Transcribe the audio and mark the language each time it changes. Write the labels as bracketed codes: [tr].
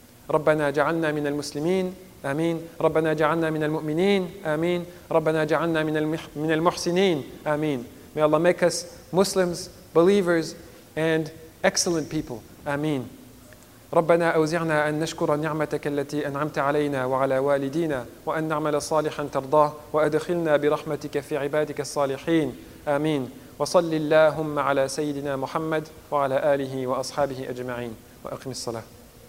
[ar] ربنا جعلنا من المسلمين آمين ربنا جعلنا من المؤمنين آمين ربنا جعلنا من المحسنين آمين. [en] May Allah make us Muslims, believers and excellent people. [ar] آمين. ربنا أوزعنا أن نشكر نعمتك التي أنعمت علينا وعلى والدينا وأن نعمل صالحا ترضاه وأدخلنا برحمتك في عبادك الصالحين. آمين. وصلي اللهم على سيدنا محمد وعلى آله وأصحابه أجمعين وأقم الصلاة.